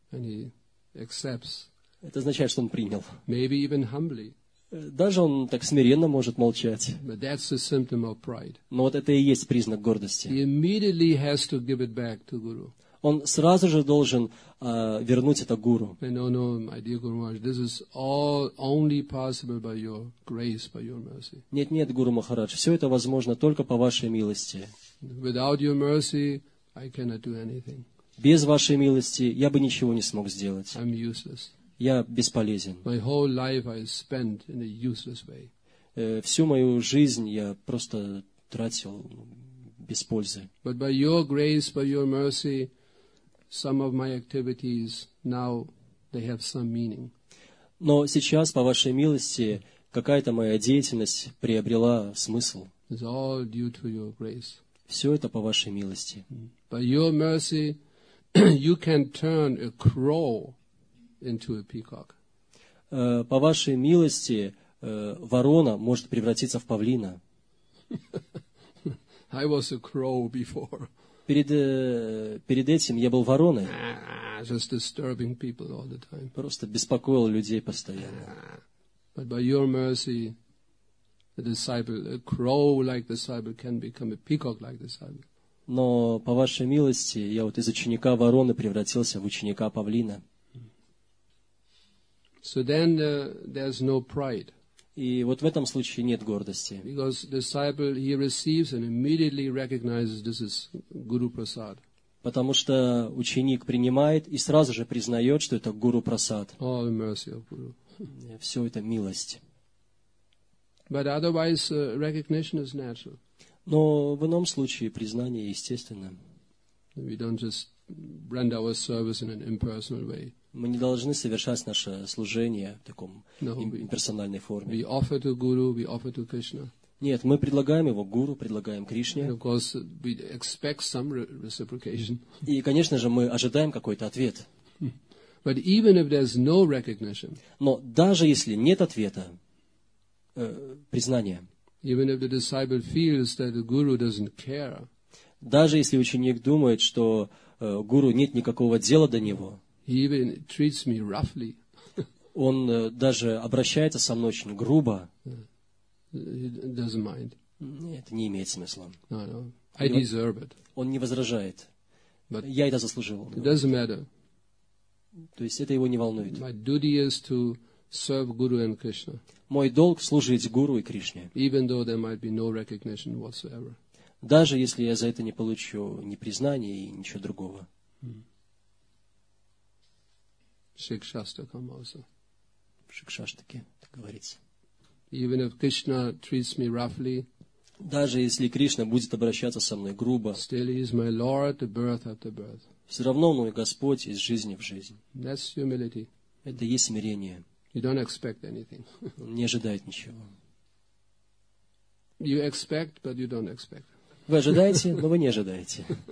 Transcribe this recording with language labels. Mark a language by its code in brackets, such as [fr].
[en] and he accepts, [ru] это означает, что он принял. [en] Maybe even humbly. [ru] Даже он так смиренно может молчать. [en] But that's a symptom of pride. [ru] Но вот это и есть признак гордости. [en] He immediately has to give it back to guru. [ru] Он сразу же должен вернуть это гуру. [en] No, my dear Guru Maharaj, this is all only possible by your grace, by your mercy. [ru] Нет, Гуру Махарадж, все это возможно только по вашей милости. [en] Without your mercy, I cannot do anything. [ru] Без вашей милости я бы ничего не смог сделать. [en] I'm useless. [ru] Я бесполезен. [en] My whole life I spent in a useless way. [ru] Всю мою жизнь я просто тратил без пользы. [en] But by your grace, by your mercy, some of my activities now they have some meaning. [ru] Но сейчас, по вашей милости, какая-то моя деятельность приобрела смысл. [en] It's all due to your grace. [ru] Все это по вашей милости. [en] By your mercy, you can turn a crow into a peacock. [ru] По вашей милости, ворона может превратиться в павлина. [en] I was a crow before. [ru] Перед этим я был вороной. [en] Just disturbing people all the time. [ru] Просто беспокоил людей постоянно. [en] But by your mercy, a disciple, a crow-like disciple, can become a peacock-like disciple. [ru] Но по вашей милости я вот из ученика вороны превратился в ученика павлина. [en] So then there's no pride. [ru] И вот в этом случае нет гордости. [en] Because disciple he receives and immediately recognizes this is Guru Prasad. [ru] Потому что ученик принимает и сразу же признает, что это Гуру Прасад. [en] All the mercy of Guru. [ru] Все это милость. [en] But otherwise recognition is natural. [ru] Но в ином случае признание естественно. [en] We don't just render our service in an impersonal way. [ru] Мы не должны совершать наше служение в таком имперсональной форме. [en] We offer to Guru, we offer to Krishna. [ru] Нет, мы предлагаем его Гуру, предлагаем Кришне. [en] And of course, we expect some reciprocation. [ru] И, конечно же, мы ожидаем какой-то ответ. [en] But even if there's no recognition, [ru] но даже если нет ответа, признания, [en] even if the disciple feels that the Guru doesn't care, [ru] даже если ученик думает, что Гуру нет никакого дела до него, [en] he even treats me roughly. [ru] Он даже обращается со мной очень грубо. [en] He doesn't mind. [ru] Нет, не имеет смысла. [en] No. I deserve it. [ru] Он не возражает. But я это заслужил. [en] It doesn't matter. [ru] То есть это его не волнует. [en] My duty is to serve Guru and Krishna. [ru] Мой долг служить Гуру и Кришне. [en] Even though there might be no recognition whatsoever. [ru] Даже если я за это не получу ни признания и ничего другого. [en] Шикшаштакам also. [ru] Шикшаштаке, так говорится. [en] Even if Krishna treats me roughly, [ru] даже если Кришна будет обращаться со мной грубо, [en] still he is my Lord, the birth after birth. [ru] Все равно он мой Господь из жизни в жизнь. [en] That's humility. [ru] Это есть смирение. [en] You don't expect anything. [ru] Он не ожидает ничего. [en] You expect, but you don't expect. [ru] Вы ожидаете, но вы не ожидаете.